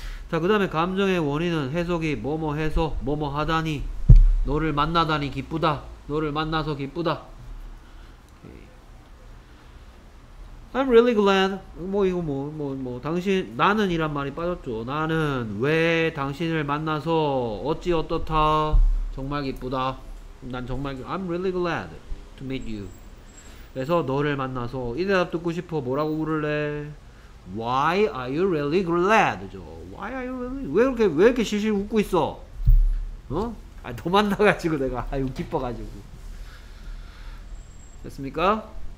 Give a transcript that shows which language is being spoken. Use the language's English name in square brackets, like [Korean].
[Korean] 자, 그 다음에 감정의 원인은 해석이 뭐뭐 해서 뭐뭐 하다니 너를 만나다니 기쁘다. 너를 만나서 기쁘다. [English] I'm really glad. [Korean] 뭐 이거 뭐 당신 나는 이란 말이 빠졌죠. 나는 왜 당신을 만나서 어찌 어떻다 정말 기쁘다. 난 정말 [English] I'm really glad to meet you. [Korean] 그래서 너를 만나서 이 대답 듣고 싶어. 뭐라고 부를래? [English] Why are you really glad죠? Why are you really [Korean] 왜 이렇게 실실 웃고 있어? 어? 아, 너 만나가지고 내가 아유 기뻐가지고 됐습니까?